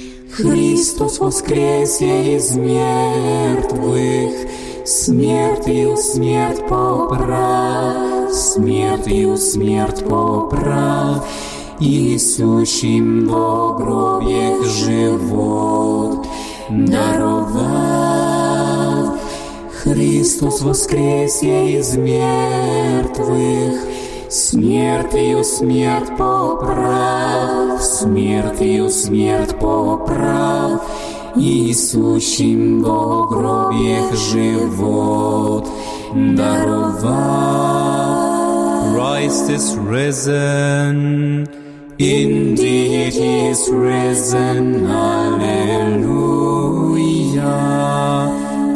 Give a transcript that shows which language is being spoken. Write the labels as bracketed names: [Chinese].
[Church Slavic] Christus voskresie iz mertvych, smertiu smert poprav, смертью смерть поправ, и несущим во гробьях живот даровал. Христос воскресе из мертвых, смертью смерть поправ, смертью смерть поправ, и несущим во гробьях живот даровал. [English] Christ is risen, indeed he is risen, alleluia.